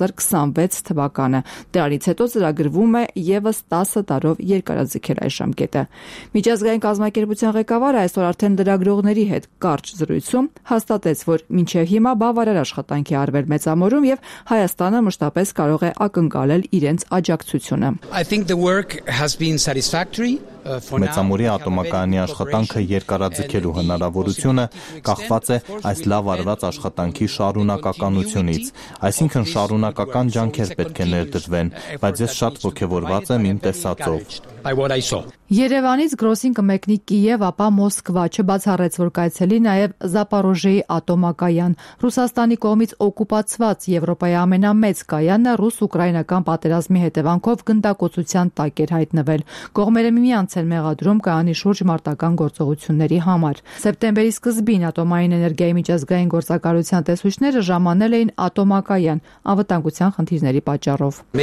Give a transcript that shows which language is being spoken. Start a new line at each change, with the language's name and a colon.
Armenian: 2026 թվականը, դրանից հետո ծրագրվում է ևս 10 տարով երկարաձգել այս ժամկետը։ Միջազգային կազմակերպության ղեկավարը այսօր արդեն լրագրողների հետ կարճ զրույցում հաստատեց, որ մինչև հիմա բավարար աշխատանք է արվել Մեծամորում և Հայաստանը մշտապես կարող է ակնկալել իրենց աջակցությունը։
English: I think the work has been satisfactory.
Armenian: Մեծամորի ատոմակայանի աշխատանքը երկարաձգելու հնարավորությունը կախված է այս լավ արված աշխատանքի շարունակականությունից, այսինքն շարունակական ջանքեր պետք է ներդրվեն, բայց ես շատ ոգևորված եմ իմ տեսածով։ Երևանից Գրոսին կմեկնի Կիև, ապա Մոսկվա, չբացառեց, որ կայցելի նաև Զապարոժիի ատոմակայան։ Ռուսաստանի կողմից օկուպացված Եվրոպայի ամենամեծ կայանը ռուս-ուկրաինական պատերազմի հետևանքով գնդակոծության տակ էր հայտնվել։ Կողմերը միմյանց են մեղադրում կայանի շուրջ մարտական գործողությունների համար։ Սեպտեմբերի սկզբին ատոմային էներգիայի միջազգային գործակալության տեսուչները ժամանել էին ատոմակայան անվտանգության խնդիրների պատճառով։